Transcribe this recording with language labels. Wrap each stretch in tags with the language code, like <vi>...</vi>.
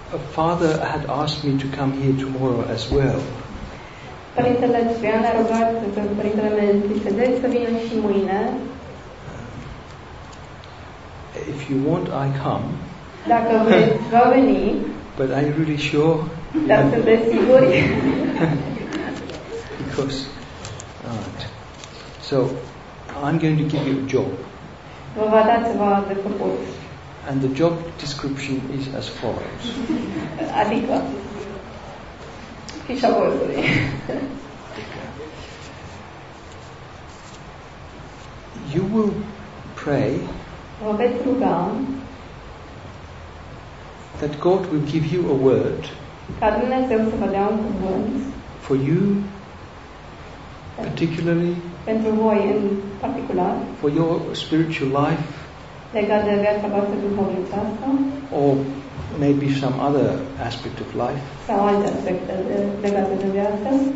<en>Father had asked me to come here tomorrow as well.</en> <ro>Părintele Ciprian a rugat pe părintele Melchisedec să vină și mâine.</ro> <en>If you want, I come.</en> <ro>Dacă vreți, va veni.</ro> <en>But are you really sure?</en> <ro>Dar sunt de sigur.</ro> <en>Because, alright. So, I'm going to give you a job.</en> <ro>Vă va da ceva de făcut.</ro> <en>And the job description is as follows.</en> <ro>Adică, fișa bolului.</ro> <en>You will pray.</en> <ro>Vă veți ruga.</ro> <en>That God will give you a word.</en> <ro>Ca Dumnezeu să vă dea un cuvânt.</ro> <en>For you. Particularly.</en> <ro>Pentru voi în particular.</ro> <en>For your spiritual life.</en> <ro>Legat de viața voastră duhovnicească.</ro> <en>Or maybe some other aspect of life.</en> <ro>Sau alte aspecte legate de viață.</ro>